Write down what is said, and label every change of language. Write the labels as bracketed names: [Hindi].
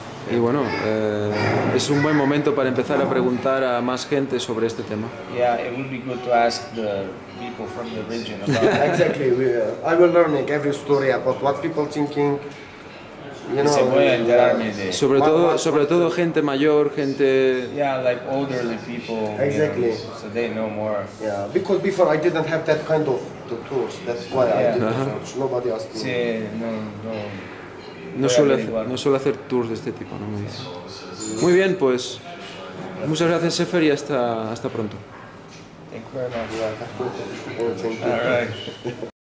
[Spanish] Y bueno, es un buen momento para empezar a preguntar a más gente sobre este tema. [English] Yeah, it would be good to ask the people from the region. Exactly. I will learn every story about what people thinking. You know, [Spanish] sobre todo gente mayor, gente. [English] Yeah, like elderly people. Exactly. You know, so they know more. Yeah, because before I didn't have that kind of the tours. That's why I didn't search. Nobody asked [Spanish] sí, [English] me. [Spanish] Sí, no. No suele hacer tours de este tipo, no me dice. Muy bien, pues muchas gracias, Sefer, y hasta pronto. [English] Thank you very much.